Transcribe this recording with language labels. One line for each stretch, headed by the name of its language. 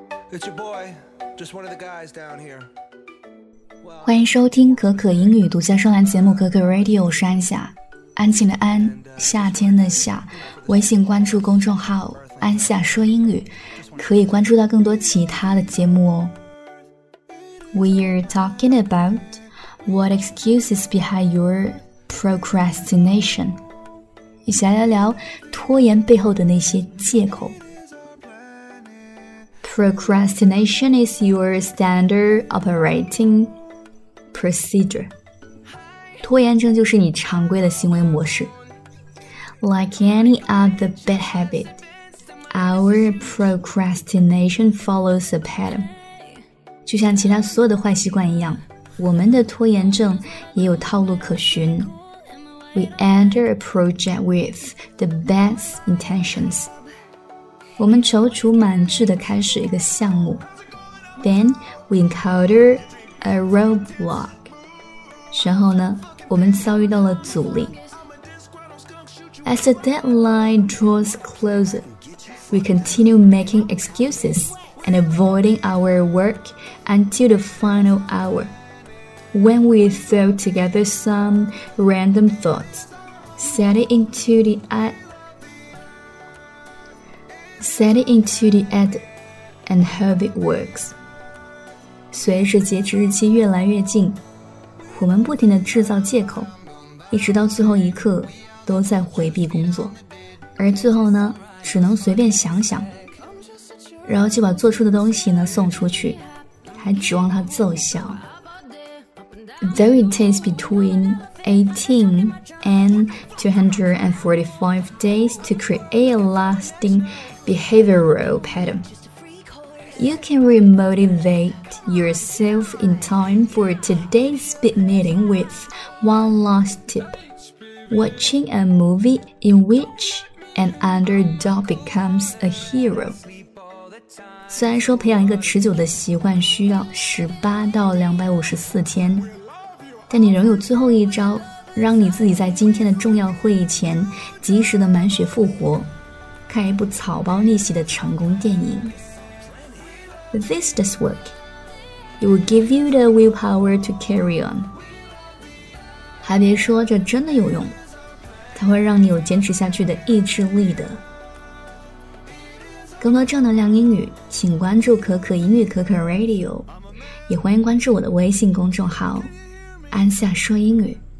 English: It's your boy, just one of the guys down here.
Chinese: 欢迎收听可可英语独家专栏节目《可可 Radio》，我是安夏，安静的安，夏天的夏。微信关注公众号“安夏说英语”，可以关注到更多其他的节目哦。
English: We're talking about what excuses behind your procrastination.
Chinese: 一起来聊聊拖延背后的那些借口。
English: Procrastination is your standard operating procedure.
Chinese: 拖延症就是你常规的行为模式。
English: Like any other bad habit, our procrastination follows a pattern.
Chinese: 就像其他所有的坏习惯一样，我们的拖延症也有套路可循。
English: We enter a project with the best intentions.
Chinese: 我们踌躇满志地开始一个项目。
English: Then we encounter a roadblock.
Chinese: 然后呢，我们遭遇到了阻力。
English: As the deadline draws closer, we continue making excuses. And avoiding our work until the final hour. When we throw together some random thoughts, set it into the edit and hope it works.
Chinese: 随着截止日期越来越近，我们不停地制造借口，一直到最后一刻都在回避工作，而最后呢，只能随便想想。然后就把做出的东西呢送出去，还指望它奏效。
English: Though it takes between 18 and 245 days to create a lasting behavioral pattern, you can remotivate yourself in time for today's speed meeting with one last tip. Watching a movie in which an underdog becomes a hero.
Chinese: 虽然说培养一个持久的习惯需要18到254天，但你仍有最后一招，让你自己在今天的重要会议前及时的满血复活，看一部草包逆袭的成功电影。
English: This does work. It will give you the willpower to carry on.
Chinese: 还别说，这真的有用，它会让你有坚持下去的意志力的。更多正能量英语，请关注可可英语可可 Radio， 也欢迎关注我的微信公众号安夏说英语。